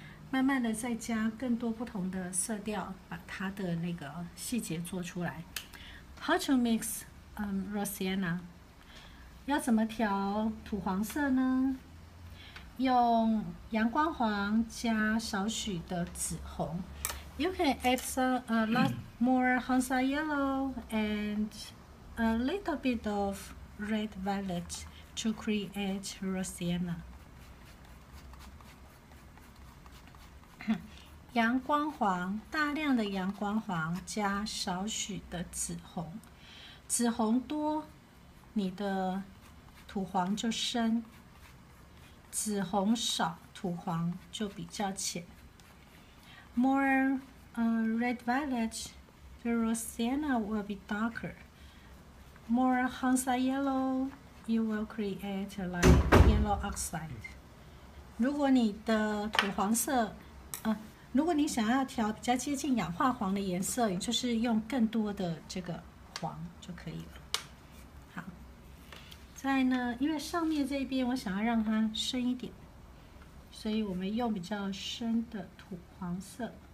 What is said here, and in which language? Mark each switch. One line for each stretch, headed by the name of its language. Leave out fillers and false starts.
Chinese: 慢慢的再加更多不同的色调，把它的那个细节做出来。
English: How to mix, Rosanna?
Chinese: 要怎么调土黄色呢？用阳光黄加少许的紫红。
English: You can add some lot more Hansa yellow and a little bit of red violet to create Rosanna.
Chinese: 阳光黄，大量的阳光黄加少许的紫红，紫红多，你的土黄就深；紫红少，土黄就比较浅。
English: More red violet, the Rosanna will be darker. more Hansa yellow, you will create like yellow oxide.
Chinese: 如果你的土黄色，如果你想要调比较接近氧化黄的颜色，你就是用更多的这个黄就可以了。好，再呢，因为上面这边我想要让它深一点，所以我们用比较深的土黄色。